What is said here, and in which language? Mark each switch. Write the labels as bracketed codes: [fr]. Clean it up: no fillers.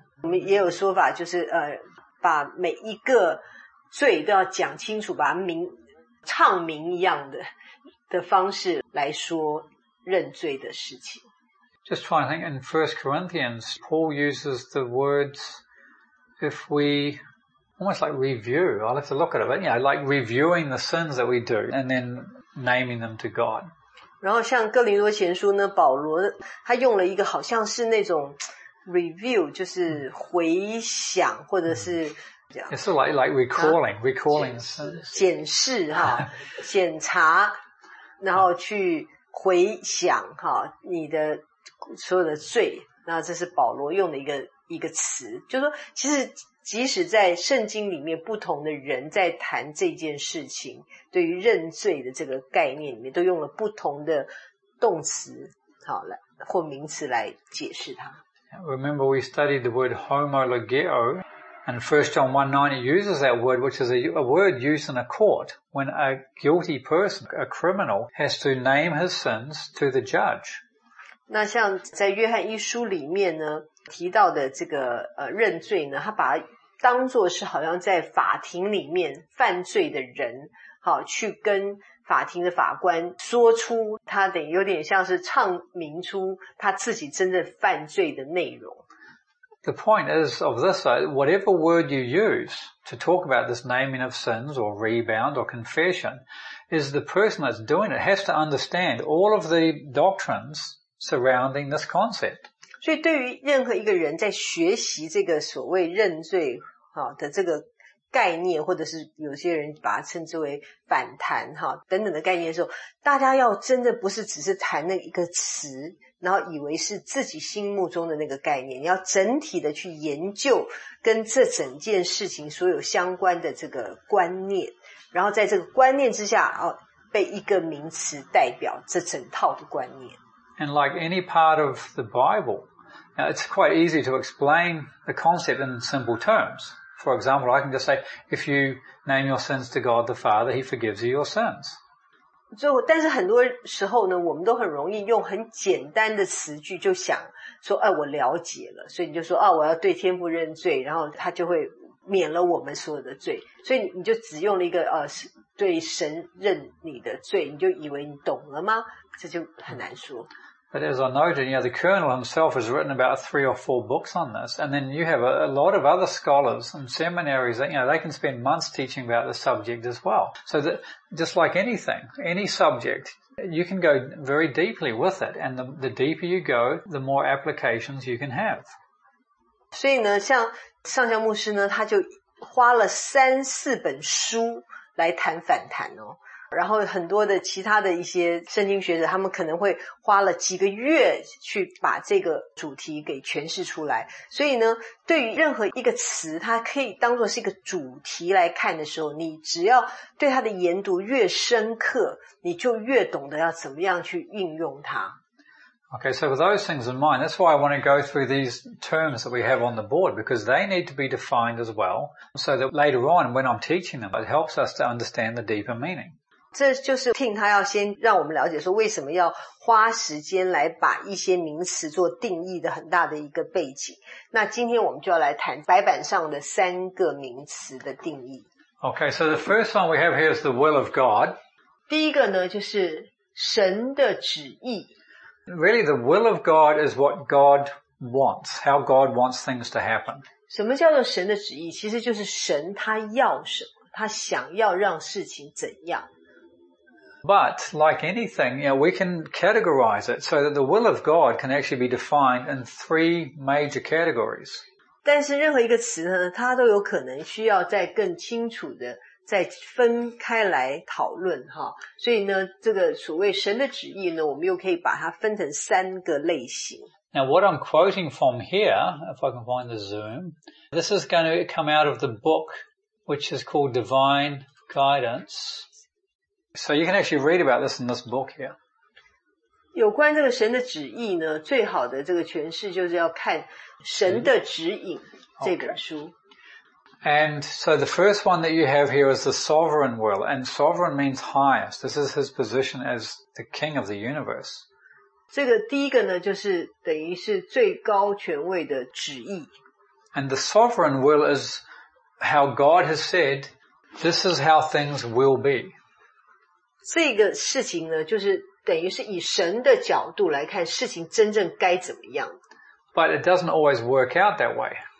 [zh] 我们也有说法就是把每一个罪都要讲清楚，把它明唱明一样的方式来说认罪的事情。 [en] Just trying to think, in 1 Corinthians, Paul uses the words, if we, almost like review, I'll have to look at it, but like reviewing the sins that we do, and then naming them to God. [zh] 然后像哥林多前书呢，保罗他用了一个好像是那种 review, 就是回想或者是这样。 [en] It's like recalling the sins. [zh] 检视哈，检查，然后去回想哈，你的所有的罪，那这是保罗用的一个词，就是说，其实即使在圣经里面，不同的人在谈这件事情，对于认罪的这个概念里面，都用了不同的动词，好来或名词来解释它。 [en] Remember, we studied the word homologeo, and 1 John 1:9 uses that word, which is a word used in a court when a guilty person, a criminal, has to name his sins to the judge. [zh] 那像在约翰一书里面呢提到的这个认罪呢，他把它当作是好像在法庭里面犯罪的人好去跟法庭的法官说出他的，有点像是唱明出他自己真正犯罪的内容。 [en] The point is of this, whatever word you use to talk about this naming of sins or rebound or confession is the person that's doing it has to understand all of the doctrinesurrounding this concept. [zh] 所以对于任何一个人在学习这个所谓认罪的这个概念，或者是有些人把它称之为反弹等等的概念的时候，大家要真的不是只是谈那一个词，然后以为是自己心目中的那个概念，你要整体的去研究跟这整件事情所有相关的这个观念，然后在这个观念之下被一个名词代表这整套的观念。 [en] And like any part of the Bible, now it's quite easy to explain the concept in simple terms. For example, I can just say, if you name your sins to God the Father, He forgives you your sins. [zh] 但是很多时候呢，我们都很容易用很简单的词句就想说，我了解了，所以你就说，我要对天父认罪，然后他就会免了我们所有的罪。所以你就只用了一个对神认你的罪，你就以为你懂了吗？这就很难说。 [en] But as I noted, the Colonel himself has written about 3 or 4 books on this, and then you have a lot of other scholars and seminaries that, they can spend months teaching about the subject as well. So that, just like anything, any subject, you can go very deeply with it, and the deeper you go, the more applications you can have. [zh] 所以呢，像上校牧师呢，他就花了3-4本书来谈反弹哦。然后很多的其他的一些圣经学者，他们可能会花了几个月去把这个主题给诠释出来。所以呢，对于任何一个词，它可以当作是一个主题来看的时候，你只要对它的研读越深刻，你就越懂得要怎么样去运用它。 [en] Okay, so with those things in mind, that's why I want to go through these terms that we have on the board, because they need to be defined as well, so that later on when I'm teaching them, it helps us to understand the deeper meaning. [zh] 这就是 Tim 他要先让我们了解说为什么要花时间来把一些名词做定义的很大的一个背景。那今天我们就要来谈白板上的3个名词的定义。 [en] Okay, so the first one we have here is the will of God. [zh] 第一个呢就是神的旨意。 [en] Really, the will of God is what God wants, how God wants things to happen. [zh] 什么叫做神的旨意？其实就是神他要什么，他想要让事情怎样。 [en] But, like anything, we can categorize it so that the will of God can actually be defined in 3 major categories. [zh] 但是任何一个词呢，它都有可能需要再更清楚的再分开来讨论哈。所以呢，这个所谓神的旨意呢，我们又可以把它分成3个类型。 [en] Now what I'm quoting from here, if I can find the zoom, this is going to come out of the book which is called Divine Guidance. So you can actually read about this in this book here. [zh] 有关这个神的旨意呢, 最好的这个诠释就是要看神的指引, okay. 这本书。 [en] And so the first one that you have here is the sovereign will, and sovereign means highest. This is his position as the king of the universe. [zh] 这个第一个呢, 就是等于是最高权位的旨意。 [en] And the sovereign will is how God has said, this is how things will be. [zh] 这个事情呢, 就是等于是以神的角度来看事情真正该怎么样。 [en] But it doesn't always work out that way.